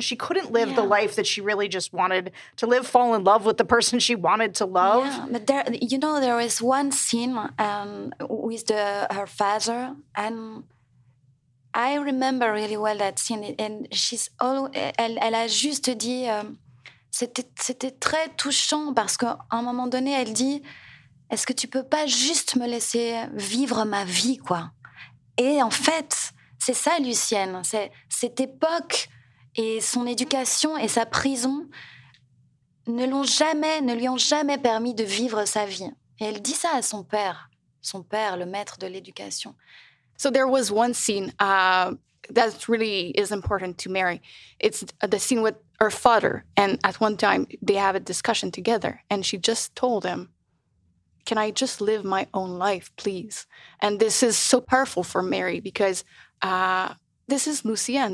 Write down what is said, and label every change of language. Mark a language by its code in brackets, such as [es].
[en] She couldn't live the life that she really just wanted to live, fall in love with the person she wanted to love. Yeah, but there, you know, there was one scene with her father, and I remember really well that scene. And she's all [fr] elle a juste dit. C'était très touchant, parce qu'à un moment donné, elle dit « Est-ce que tu peux pas juste me laisser vivre ma vie, quoi ?» Et en fait, c'est ça, Lucienne. C'est, cette époque et son éducation et sa prison ne lui ont jamais permis de vivre sa vie. Et elle dit ça à son père, le maître de l'éducation. [en] So there was one scene that really is important to Mary. It's the scene with her father, and at one time they have a discussion together, and she just told him, can I just live my own life, please? And this is so powerful for Mary, because this is Lucienne.